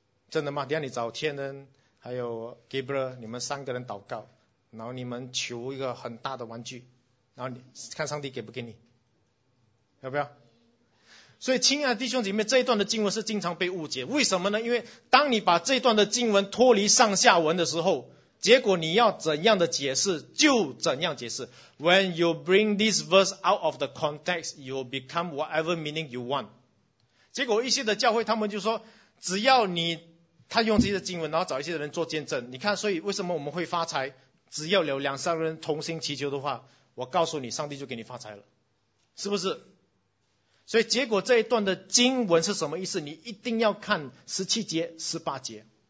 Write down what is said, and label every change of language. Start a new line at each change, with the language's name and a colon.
Chinese: 真的吗？等一下你找天恩还有 Gabriel， 你们三个人祷告，然后你们求一个很大的玩具，然后你看上帝给不给你，要不要？所以亲爱的弟兄姐妹，这一段的经文是经常被误解，为什么呢？因为当你把这段的经文脱离上下文的时候，结果你要怎样的解释就怎样解释。
English: When you bring this verse out of the context, you become whatever meaning you want。
Chinese: 结果一些的教会他们就说，只要他用这些经文，然后找一些人做见证，你看，所以为什么我们会发财，只要有两三个人同心祈求的话，我告诉你，上帝就给你发财了，是不是？所以结果这一段的经文是什么意思，你一定要看17节18节。